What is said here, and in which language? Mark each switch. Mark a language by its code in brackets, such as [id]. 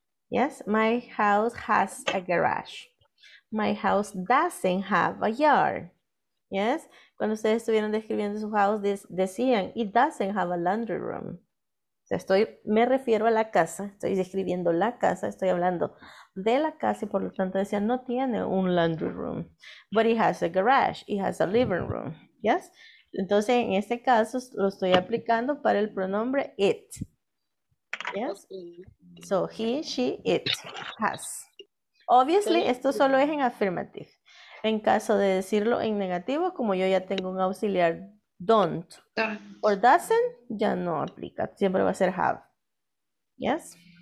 [en] Yes, my house has a garage. My house doesn't have a yard. Yes, [es] cuando ustedes estuvieron describiendo su [en] house, [es] decían, [en] it doesn't have a laundry room. [es] O sea, me refiero a la casa, estoy describiendo la casa, estoy hablando de la casa y por lo tanto decían, no tiene un laundry room. [en] But it has a garage, it has a living room. [es] Yes, entonces en este caso lo estoy aplicando para el pronombre it. [en] Yes, so he, she, it, has. [es] Obviously, esto solo es en affirmative. En caso de decirlo en negativo, como yo ya tengo un auxiliar don't or doesn't, ya no aplica. Siempre va a ser have. Yes?